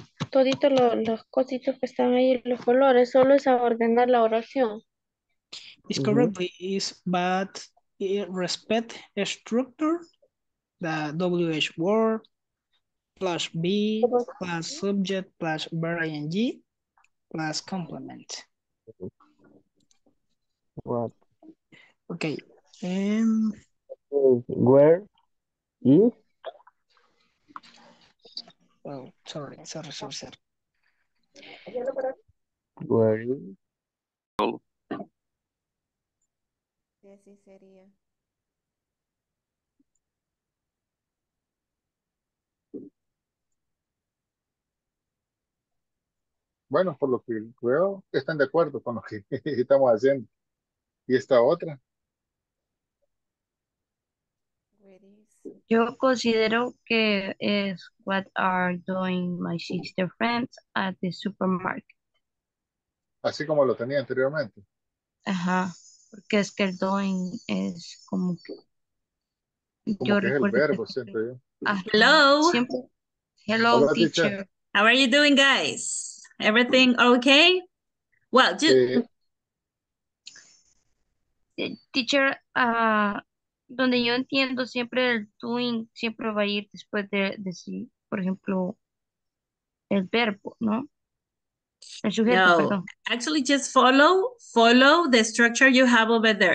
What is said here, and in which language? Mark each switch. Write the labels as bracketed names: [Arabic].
[Spanish] Todito los cositos que están ahí, los colores. Solo es a ordenar la oración. [English] It's correct, but it respect structure, the WH word, plus B, plus subject, plus verb ing, Last complement. What? Okay. Where is? Oh, sorry, sorry, sorry, sorry. Where is? Oh. [Spanish] Sí, sería. Bueno, por lo que veo, están de acuerdo con lo que estamos haciendo. ¿Y esta otra? Yo considero que es [English] what are doing my sister friends at the supermarket. [Spanish] Así como lo tenía anteriormente. Ajá, porque es que el doing es como que... Como que es el verbo, que... siento yo. [English] Hello. Siempre. Hello. Hola, teacher. How are you doing, guys? Everything okay? Well, [Spanish] teacher, donde yo entiendo siempre el doing siempre va a ir después de decir, por ejemplo, el verbo, ¿no? El sujeto, no. Perdón. [English] Actually, just follow the structure you have over there.